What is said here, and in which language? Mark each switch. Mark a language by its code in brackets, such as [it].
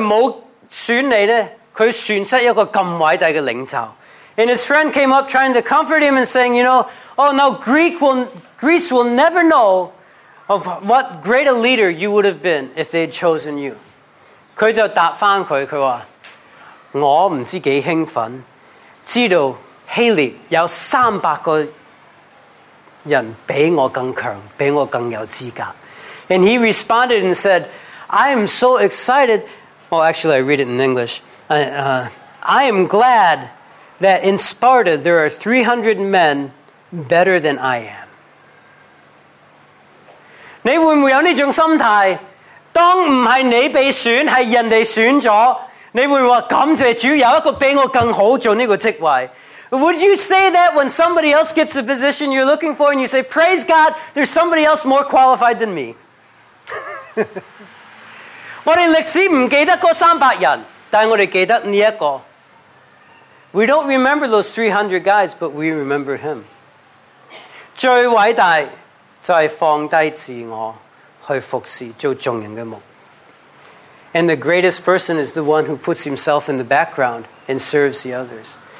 [zh] 于是他一个好朋友来到跟他讲，安慰他，可惜希腊永远不知道，因为没选你呢，他选出一个这么伟大的领袖。 [en] And his friend came up trying to comfort him and saying, you know, oh no, Greece will never know of what great a leader you would have been if they had chosen you. [zh] 他就答回他，他说，我不知多兴奋，知道希腊有300个人比我更强，比我更有资格。 [en] And he responded and said, I am so excited Well, actually, I read it in English. I am glad that in Sparta there are 300 men better than I am. [zh] 你会不会有这种心态？当不是你被选，是人家选了，你会说感谢主有一个比我更好做这个职位。 [en] Would you say that when somebody else gets the position you're looking for and you say, praise God, there's somebody else more qualified than me? [zh] 我们历史不记得那300人，但我们记得这个。 [en] We don't remember those 300 guys, but we remember him. [zh] 最伟大就是放低自我去服侍做众人的目。 [en] And the greatest person is the one who puts himself in the background and serves the others.